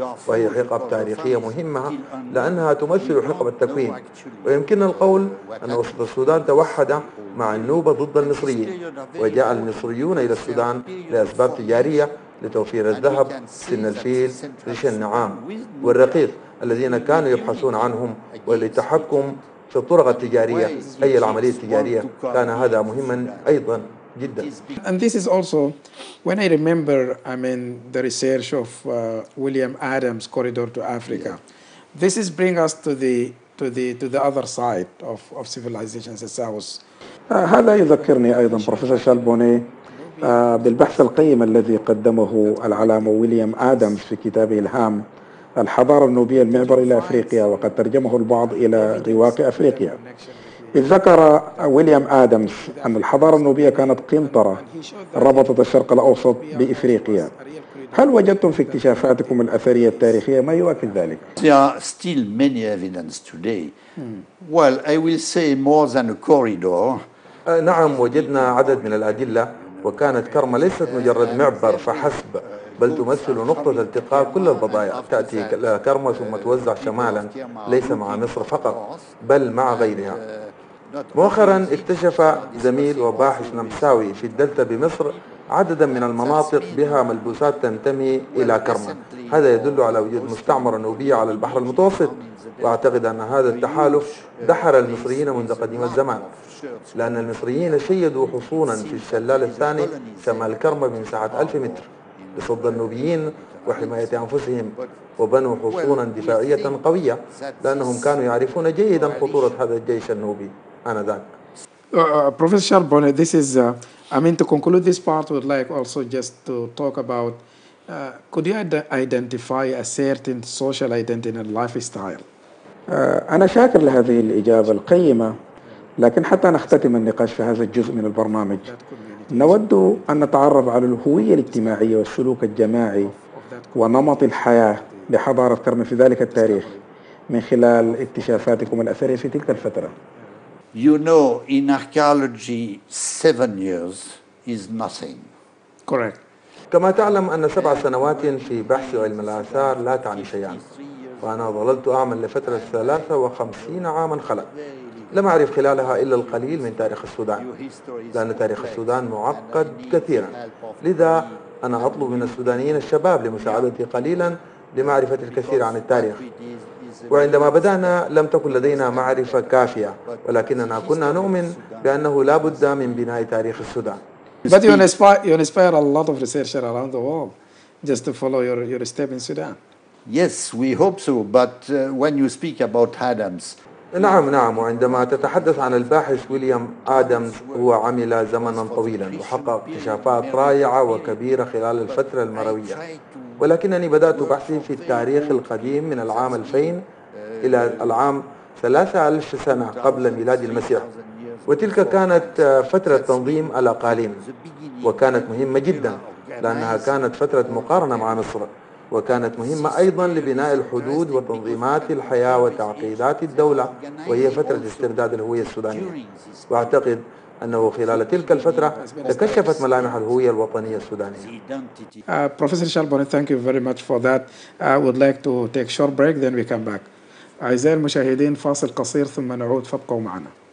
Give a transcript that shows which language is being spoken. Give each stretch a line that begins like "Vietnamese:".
Arabic: وهي حقب تاريخية مهمة لأنها تمثل حقب التكوين ويمكن القول أن وسط السودان توحد مع النوبة ضد المصريين وجاء المصريون إلى السودان لأسباب تجارية لتوفير الذهب سن الفيل ريش النعام والرقيق الذين كانوا يبحثون عنهم وللتحكم في الطرق التجارية أي العملية التجارية كان هذا مهما أيضا جدا.
English: And this is also when I remember, I mean, the research of William Adams' Corridor to Africa. Yeah. This is bring us to the other side of civilization, the south.
Arabic: هذا يذكرني أيضا بروفيسور شالبوني بالبحث القيم الذي قدمه العلامة ويليام آدمز في كتابه الهام. الحضارة النوبية المعبر إلى أفريقيا وقد ترجمه البعض إلى رواق أفريقيا إذ ذكر ويليام آدمز أن الحضارة النوبية كانت قنطرة ربطت الشرق الأوسط بإفريقيا هل وجدتم في اكتشافاتكم الأثرية التاريخية ما يؤكد ذلك؟
English: There are still many evidence today. Well, I will say more than a corridor.
Arabic: نعم وجدنا عدد من الأدلة وكانت كرمة ليست مجرد معبر فحسب بل تمثل نقطة التقاء كل البضائع تأتي كرمة ثم توزع شمالا ليس مع مصر فقط بل مع غيرها مؤخرا اكتشف زميل وباحث نمساوي في الدلتا بمصر عددا من المناطق بها ملبوسات تنتمي إلى كرمة هذا يدل على وجود مستعمرة نوبية على البحر المتوسط وأعتقد أن هذا التحالف دحر المصريين منذ قديم الزمان لأن المصريين شيدوا حصونا في الشلال الثاني شمال كرمة من سعة 1000 متر لصد النوبيين وحماية أنفسهم وبنوا حصونا دفاعية قوية لأنهم كانوا يعرفون جيدا خطورة هذا الجيش النوبي آنذاك.
English: Professor Charbonne, this is, I mean, to conclude this part, we'd like also just to talk about, could you identify a certain social identity and lifestyle?
Arabic: أنا شاكر لهذه الإجابة القيمة، لكن حتى نختتم النقاش في هذا الجزء من البرنامج. نود أن نتعرف على الهوية الاجتماعية والسلوك الجماعي ونمط الحياة لحضارة كرمة في ذلك التاريخ من خلال اكتشافاتكم الأثرية في تلك الفترة.
English: You know, in archaeology, 7 years is nothing. Correct.
Arabic: كما تعلم أن 7 سنوات في بحث علم الآثار لا تعني شيئاً. وأنا ظللت أعمل لفترة 53 عاماً خلق. لم أعرف خلالها إلا القليل من تاريخ السودان لأن تاريخ السودان معقد كثيرا لذا أنا أطلب من السودانيين الشباب لمساعدتي قليلا لمعرفة الكثير عن التاريخ وعندما بدأنا لم تكن لدينا معرفة كافية ولكننا كنا نؤمن بأنه لا بد من بناء تاريخ السودان
English: But you inspire a lot of researchers around the world just to follow your step in Sudan. Yes, we hope so. But when you speak about Adams,
Arabic: نعم وعندما تتحدث عن الباحث ويليام آدمز هو عمل زمنا طويلا وحقق اكتشافات رائعة وكبيرة خلال الفترة المروية ولكنني بدأت بحثي في التاريخ القديم من العام 2000 إلى العام 3000 سنة قبل ميلاد المسيح وتلك كانت فترة تنظيم الأقاليم وكانت مهمة جدا لأنها كانت فترة مقارنة مع مصر وكانت مهمة أيضا لبناء الحدود وتنظيمات الحياة وتعقيدات الدولة وهي فترة استرداد الهوية السودانية وأعتقد أنه خلال تلك الفترة تكشفت ملامح الهوية الوطنية السودانية
English: Professor Charbonne, thank you very much for that. I would like to take a short break, then we come back.
Arabic: أعزائي المشاهدين فاصل قصير ثم نعود فابقوا معنا